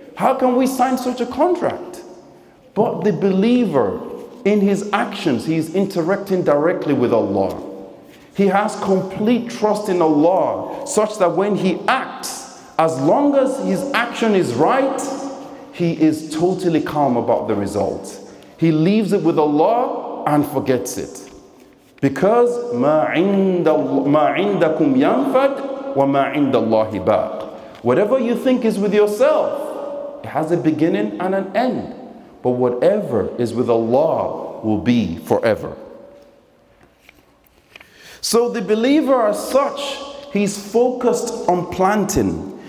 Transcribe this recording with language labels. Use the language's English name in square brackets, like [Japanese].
[English] How can we sign such a contract? But the believer, in his actions, he's interacting directly with Allah. He has complete trust in Allah, such that when he acts, as long as his action is right, he is totally calm about the result. He leaves it with Allah and forgets it. Because [Arabic] مَا عِنْدَكُمْ يَنْفَدْ وَمَا عِنْدَ اللَّهِ بَاقْ. [English] Whatever you think is with yourself, it has a beginning and an end. But whatever is with Allah will be forever. So the believer as such, he's focused on planting.